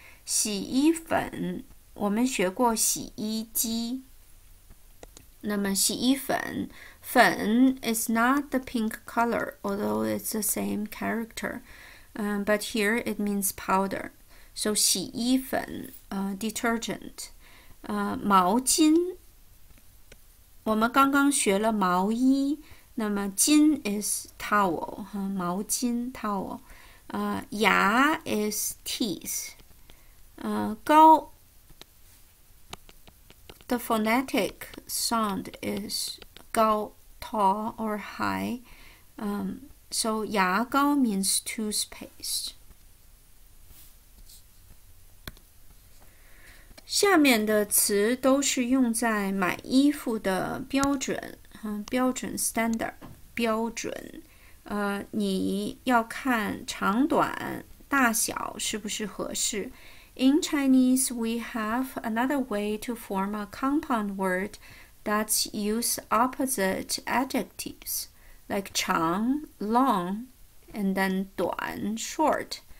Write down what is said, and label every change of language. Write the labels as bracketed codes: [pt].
[zh] 洗衣粉，我们学过洗衣机。那么洗衣粉，粉 [en] is not the pink color, although it's the same character,but here it means powder. So 洗衣粉detergent, [zh] 毛巾，我们刚刚学了毛衣，那么巾 [en] is towel,毛巾 towel, 牙 is teeth, 膏The phonetic sound is 高, tall, or high. So 牙膏 means toothpaste. [zh] 下面的词都是用在买衣服的标准，标准 standard, 标准。你要看长短、大小是不是合适。 [en] In Chinese, we have another way to form a compound word that's use opposite adjectives, like 长, long, and then 短, short.